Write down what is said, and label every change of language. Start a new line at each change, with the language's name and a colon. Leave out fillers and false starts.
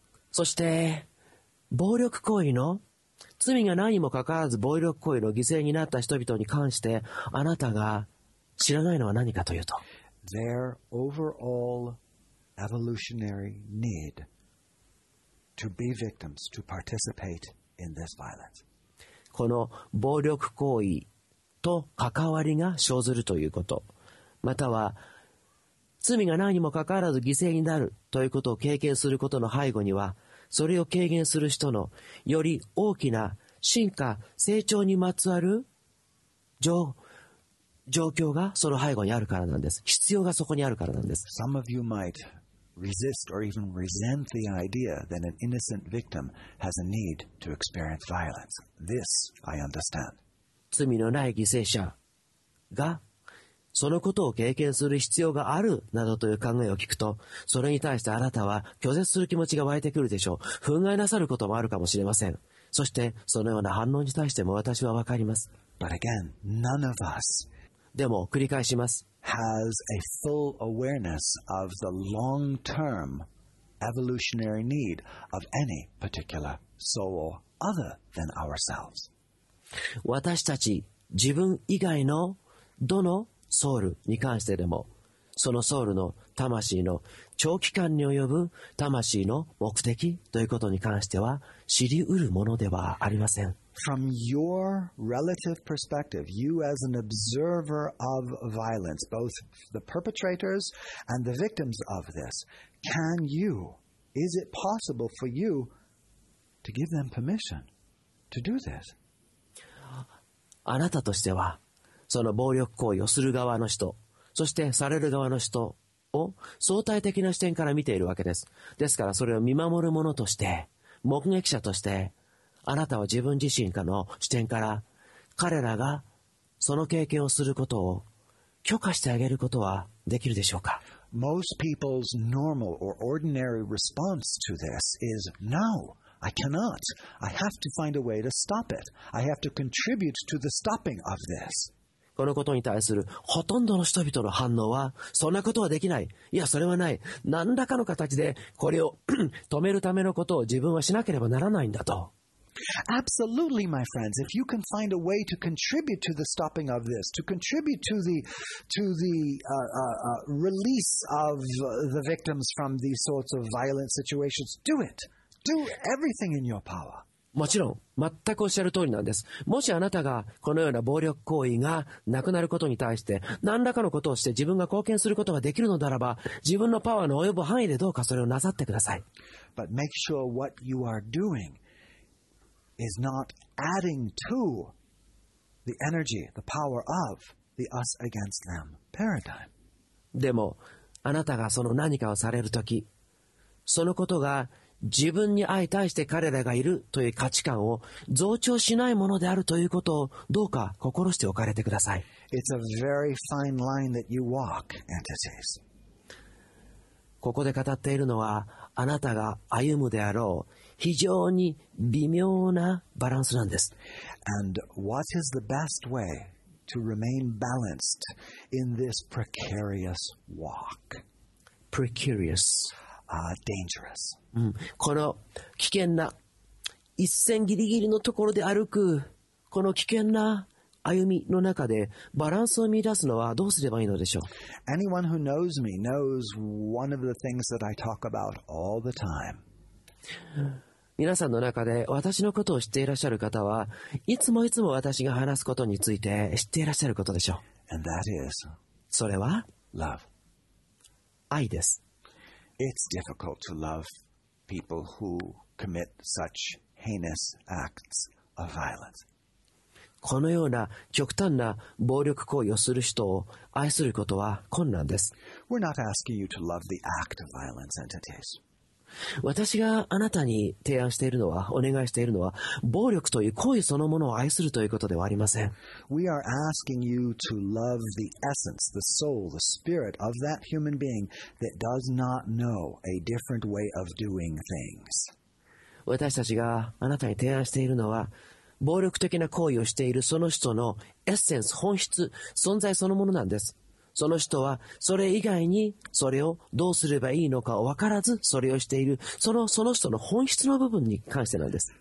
Japanese: そして暴力行為の、罪が何もかかわらず暴力行為の犠牲になった人々に関してあなたが知らないのは何かというと、
English: Their overall evolutionary need to be victims, to participateIn this violence.
Japanese: この暴力行為と関わりが生ずるということ、または罪が何にもかかわらず犠牲になるということを経験することの背後には、それを軽減する人のより大きな進化、成長にまつわる状況がその背後にあるからなんです。必要がそこにあるからなんです。
English: Some of you might resist or even resent the idea that an innocent victim has a need to experience violence. This I understand.
Japanese: 罪のない犠牲者が、そのことを経験する必要があるなどという考えを聞くと、それに対してあなたは拒絶する気持ちが湧いてくるでしょう。憤慨なさることもあるかもしれません。そしてそのような反応に対しても私はわかります。
English: But again, none of us
Japanese: でも繰り返します、
English: has a full awareness of the long-term evolutionary need of any particular soul other than ourselves。
Japanese: 私たち自分以外のどのソウルに関してでも、そのソウルの魂の長期間に及ぶ魂の目的ということに関しては知り得るものではありません。
English: From your relative perspective, you as an observer of violence, both the perpetrators and the victims of this, can you, is it possible for you to give them permission to do this?
Japanese: あなたとしては、その暴力行為をする側の人、そしてされる側の人を相対的な視点から見ているわけです。ですからそれを見守る者として、目撃者として、あなたは自分自身の視点から彼らがその経験をすることを許可してあげることはできるでしょうか。
English: Most people's normal or ordinary response to this is no, I cannot. I have to find a way to stop it. I have to contribute to the stopping of this.
Japanese: このことに対するほとんどの人々の反応は、そんなことはできない、いやそれはない、何らかの形でこれを止めるためのことを自分はしなければならないんだと。
English: Absolutely, my friends. If you can find a way to contribute to the stopping of this, to contribute to the, release of the victims from these sorts of violent situations, do it. Do everything in your power.
Japanese: もちろん全くおっしゃる通りなんです。もしあなたがこのような暴力行為がなくなることに対して何らかのことをして自分が貢献することができるのならば、自分のパワーの及ぶ範囲でどうかそれをなさってください。
English: But make sure what you are doing is not adding to the energy, the power of the us against them paradigm。
Japanese: でもあなたがその何かをされるとき、そのことが自分に相対して彼らがいるという価値観を増長しないものであるということをどうか心しておかれてください。
English: It's a very fine line that you walk, entities.
Japanese: ここで語っているのは、あなたが歩むであろう非常に微妙なバランスなんです。
English: And what is the best way to remain balanced in this precarious walk? Precarious. Dangerous.
Japanese: この危険な一線ギリギリのところで歩く、この危険な歩みの中でバランスを見出すのはどうすればいいのでしょう。
English: Anyone who knows me knows one of the things that I talk about all the time.
Japanese: 皆さんの中で私のことを知っていらっしゃる方は、いつもいつも私が話すことについて知っていらっしゃることでしょう。
English: And that is
Japanese: それは
English: Love.
Japanese: 愛です。
English: It's difficult to love people who commit such heinous acts of violence.
Japanese: このような極端な暴力行為をする人を愛することは困難です。
English: We're not asking you to love the act of violence entities.
Japanese: 私があなたに提案しているのは、お願いしているのは、暴力という行為そのものを愛するということではありません。
English: We are asking you to love the essence, the soul, the spirit of that human being that does not know a different way of doing things.
Japanese: 私たちがあなたに提案しているのは、暴力的な行為をしているその人のエッセンス、本質、存在そのものなんです。その人はそれ以外にそれをどうすればいいのかを分からずそれをしている、その人の本質の部分に関してなんです。